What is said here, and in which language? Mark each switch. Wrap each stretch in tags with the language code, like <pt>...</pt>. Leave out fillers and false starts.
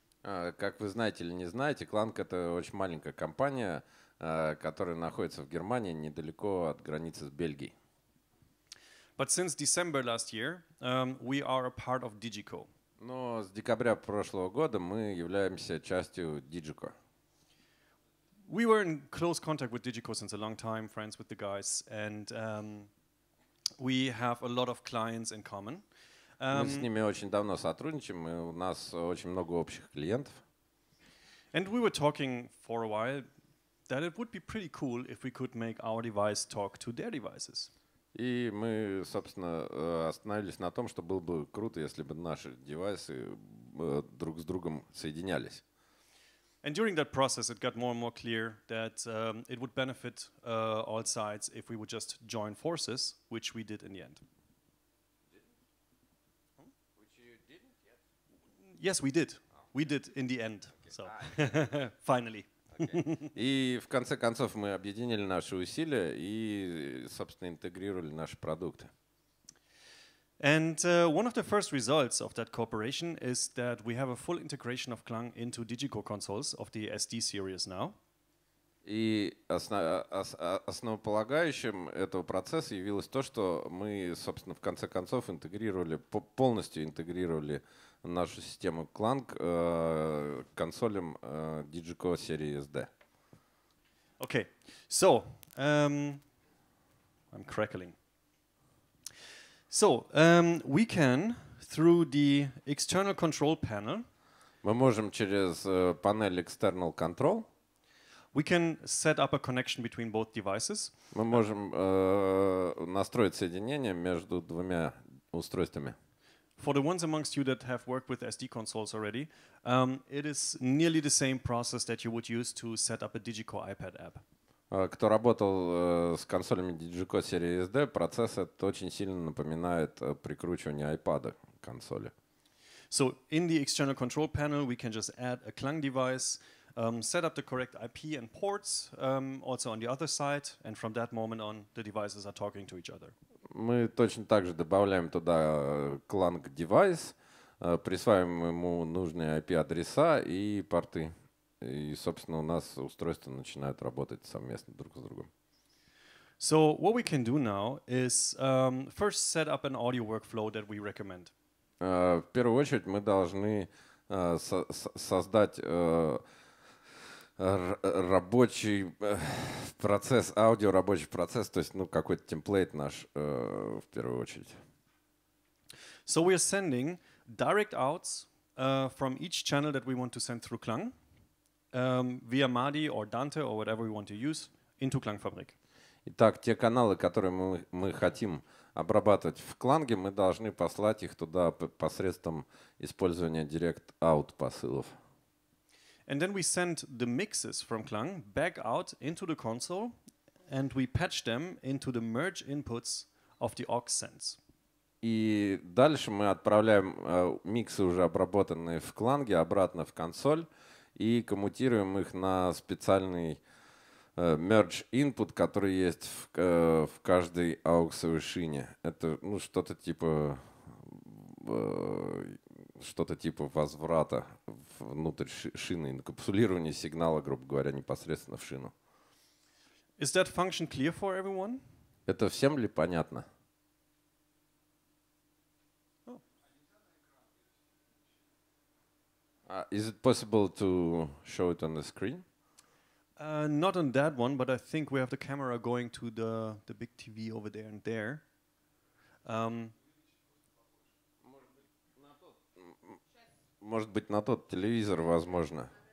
<ru>Как вы знаете или не знаете, Klang — это очень маленькая компания, которая находится в Германии, недалеко от границы с Бельгией.</ru> <en>But since December last year, we are a part of Digico.</en> <ru>Но с декабря прошлого года мы являемся частью Digico.</ru> <en>We were in close contact with Digico since a long time, friends with the guys, and we have a lot of clients in common.</en> <ru>Мы с ними очень давно сотрудничаем, и у нас очень много общих клиентов.</ru> <en>And we were talking for a while, that it would be pretty cool if we could make our device talk to their devices.</en> <ru>И мы, собственно, остановились на том, что было бы круто, если бы наши девайсы друг с другом соединялись.</ru> <en>And during that process, it got more and more clear that it would benefit all sides if we would just join forces, which we did in the end. Which you didn't yet? Yes, we did. Oh. We did in the end. Okay. So, finally.</en> <ru>И в конце концов мы объединили наши усилия и, собственно, интегрировали наши продукты.</ru> <en>And one of the first results of that cooperation is that we have a full integration of KLANG into DigiCore consoles of the SD series now.</en> <ru>И основополагающим этого процесса явилось то, что мы, собственно, в конце концов интегрировали, полностью интегрировали нашу систему KLANG консолям DigiCore серии SD.</ru> <en>Okay, so I'm crackling. So we can, through the external control panel,</en> <ru>мы можем через панель external control,</ru> <en>we can set up a connection between both devices.</en> <ru>Мы можем настроить соединение между двумя устройствами.</ru> <en>For the ones amongst you that have worked with SD consoles already, it is nearly the same process that you would use to set up a DigiCore iPad app.</en> <ru>Кто работал с консолями DigiCore серии SD, процесс этот очень сильно напоминает прикручивание iPad к консоли.</ru> <en>So in the external control panel, we can just add a KLANG device, set up the correct IP and ports, also on the other side, and from that moment on, the devices are talking to each other.</en> <ru>Мы точно так же добавляем туда KLANG девайс, присваиваем ему нужные IP-адреса и порты. И, собственно, у нас устройства начинают работать совместно друг с другом.</ru> <en>So what we can do now is first set up an audio workflow that we recommend.</en> <ru>В первую очередь мы должны создать рабочий процесс, то есть, ну, какой-то темплейт наш в первую очередь.</ru> <en>So we are sending direct outs from each channel that we want to send through KLANG via MADI or Dante or whatever we want to use into KLANG Fabric.</en> <ru>Итак, те каналы, которые мы хотим обрабатывать в KLANG, мы должны послать их туда посредством использования direct out посылов.</ru> <en>And then we send the mixes from KLANG back out into the console, and we patch them into the merge inputs of the aux sends.</en> <ru>И дальше мы отправляем миксы, уже обработанные в KLANG, обратно в консоль и коммутируем их на специальный merge input, который есть в каждой аux-овой шине. Это, ну, что-то типа возврата внутрь шины, инкапсулирование сигнала, грубо говоря, непосредственно в шину.</ru> <en>Is that function clear for everyone?</en> <ru>Это всем ли понятно? Oh.</ru> <en>Is it possible to show it on the screen? Not on that one, but I think we have the camera going to the big TV over there and there.</en> <ru>Может быть, на тот телевизор, возможно.</ru>